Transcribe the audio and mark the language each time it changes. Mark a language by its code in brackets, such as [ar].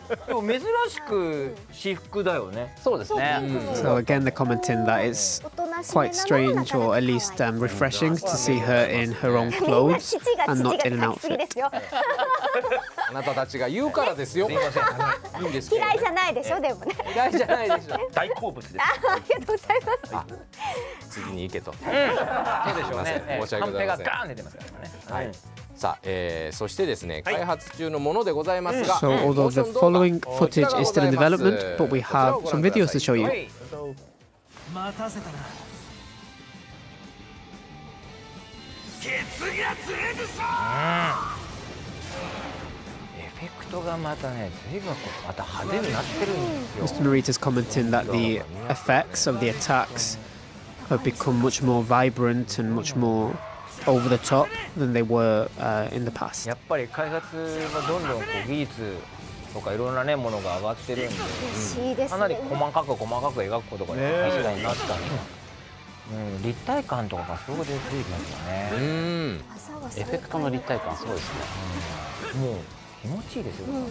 [ja] でも珍しく私服だよね。そうですね。 [en] So again, the comment in that is quite strange or at least refreshing to see her in her own clothes and not in an outfit. [ja] あなたたちが言うからですよ。すいません。嫌いじゃないでしょ、でもね。嫌いじゃないでしょ。大好物です。ありがとうございます。次に行けと。そうでしょうね。申し訳ございません。カンペがガーン出てますからね。はい。さあ、そしてですね、開発中のものでございますが、 [en] So although the following footage is still in development, but we have some videos to show you. [ja] 待たせたな。ケツが釣れるぞ。エフェクトがまたね、随分また派手になってるんですよ。 [en] Narita is commenting that the effects of the attacks have become much more vibrant and much moreover the top than they were in the past. [ja] やっぱり開発がどんどんこう技術とかいろんなねものが上がってるんで、かなり細かく細かく描くことが大事になったね。立体感とかがすごい出てきましたね。エフェクトの立体感すごいですね。もう気持ちいいですよ。